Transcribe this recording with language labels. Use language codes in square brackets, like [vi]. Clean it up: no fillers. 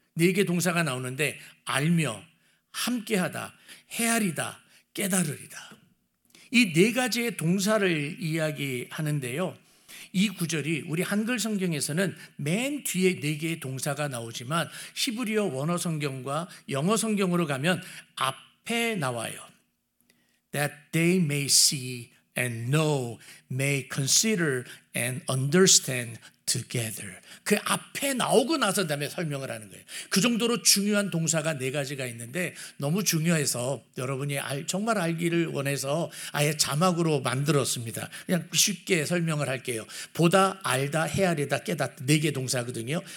[ko] 네 개의 동사가 나오는데 알며, 함께하다, 헤아리다, 깨달으리다. 이 네 가지의 동사를 이야기하는데요. 이 구절이 우리 한글 성경에서는 맨 뒤에 네 개의 동사가 나오지만 히브리어 원어 성경과 영어 성경으로 가면 앞에 나와요. [en] That they may see and know, may consider and understand together. [ko] 그 앞에 나오고 나서 다음에 설명을 하는 거예요. 그 정도로 중요한 동사가 네 가지가 있는데 너무 중요해서 여러분이 정말 알기를 원해서 아예 자막으로 만들었습니다. 그냥 쉽게 설명을 할게요. 보다, 알다, 헤아리다, 깨닫다 네 개 동사거든요.